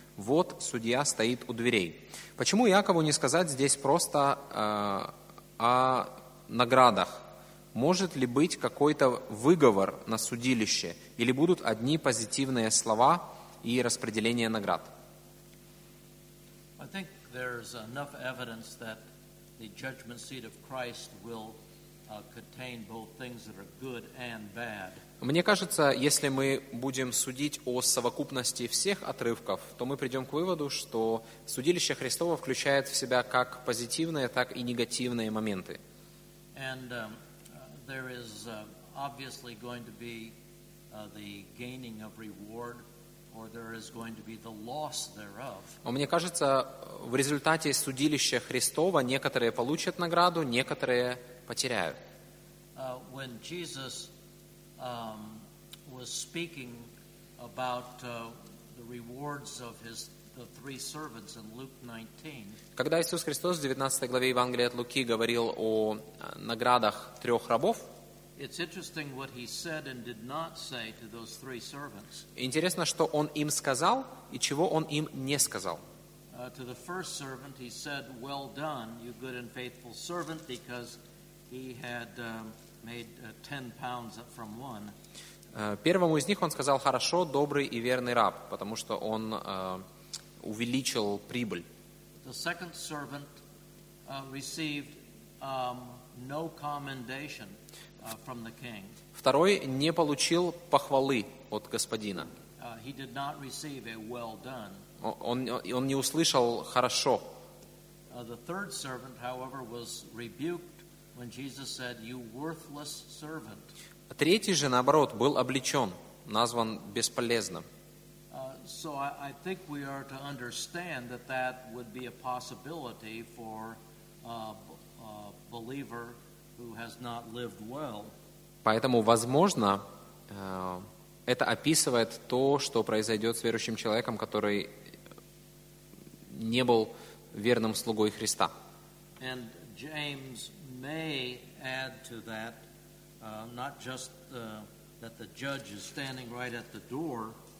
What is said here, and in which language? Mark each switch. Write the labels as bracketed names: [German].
[Russian] Вот судья стоит у дверей». Почему Иакову не сказать здесь просто о наградах? Может ли быть какой-то выговор на судилище? Или будут одни позитивные слова и распределение наград? [English] I think there's enough evidence that the judgment seat of Christ will contain both things that are good and bad. [Russian] Мне кажется, если мы будем судить о совокупности всех отрывков, то мы придем к выводу, что судилище Христово включает в себя как позитивные, так и негативные моменты. [English] And there is obviously going to be the gaining of reward, or there is going to be the loss thereof. [Russian] Мне кажется, в результате судилища Христова некоторые получат награду, некоторые потеряют. [English] When Jesus was speaking about the rewards of the three servants in Luke 19. [Russian] Когда Иисус Христос в 19 главе Евангелия от Луки говорил о наградах трех рабов, [English] it's interesting what he said and did not say to those three servants. [Russian] Интересно, что он им сказал и чего он им не сказал. [English] To the first servant he said, "Well done, you good and faithful servant," because he had made 10 pounds from one. [Russian] Первому из них он сказал: "Хорошо, добрый и верный раб", потому что он увеличил прибыль. [English] The second servant received no commendation. From the king. [Russian] Второй не получил похвалы от господина. [English] He did not receive a well done. [Russian] Он не услышал хорошо. [English] The third servant, however, was rebuked when Jesus said, "You worthless servant." [Russian] Третий же, наоборот, был обличен, назван бесполезным. [English] So I think we are to understand that would be a possibility for a believer who has not lived well. [Russian] Поэтому, возможно, это описывает то, что произойдет с верующим человеком, который не был верным слугой Христа. [English] And James may add to that not just that the judge is standing right at the door.